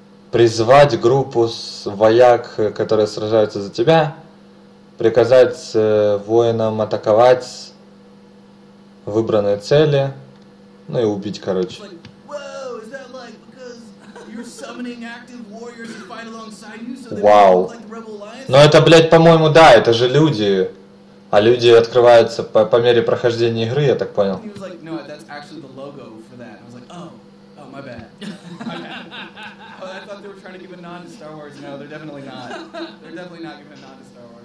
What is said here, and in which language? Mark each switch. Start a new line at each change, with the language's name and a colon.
Russian: Призвать группу вояк, которые сражаются за тебя. Приказать воинам атаковать выбранные цели. Ну и убить, короче.
English: Like, whoa, is that like because you're summoning? summoning active warriors to fight alongside you, so they wow. Look like the Rebel Alliance.
Russian: Но это, блядь, по-моему, да, это же люди. А люди открываются по мере прохождения игры, я так понял.
English: He was like, no, that's actually the logo for that. I was like, oh, oh, my bad. Oh, I thought they were trying to give a nod to Star Wars. No, they're definitely not. They're definitely not giving a nod to Star Wars.